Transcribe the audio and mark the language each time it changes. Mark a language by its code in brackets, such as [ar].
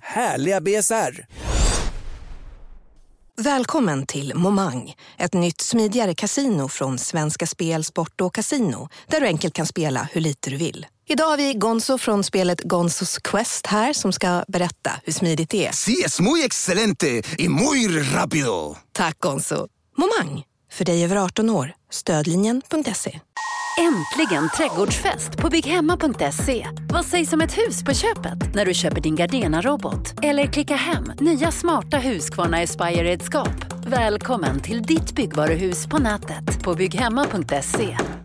[sv] Härliga BSR! Välkommen till Momang, ett nytt smidigare kasino från Svenska Spel, Sport och Casino, där du enkelt kan spela hur lite du vill. Idag har vi Gonzo från spelet Gonzos Quest här som ska berätta hur smidigt det är. [es] Sí, es muy excelente y muy rápido. [sv] Tack Gonzo. Momang, för dig över 18 år. Stödlinjen.se. Äntligen trädgårdsfest på bygghemma.se. Vad sägs om ett hus på köpet när du köper din Gardena-robot? Eller klicka hem nya smarta Husqvarna Aspire-redskap. Välkommen till ditt byggvaruhus på nätet på bygghemma.se.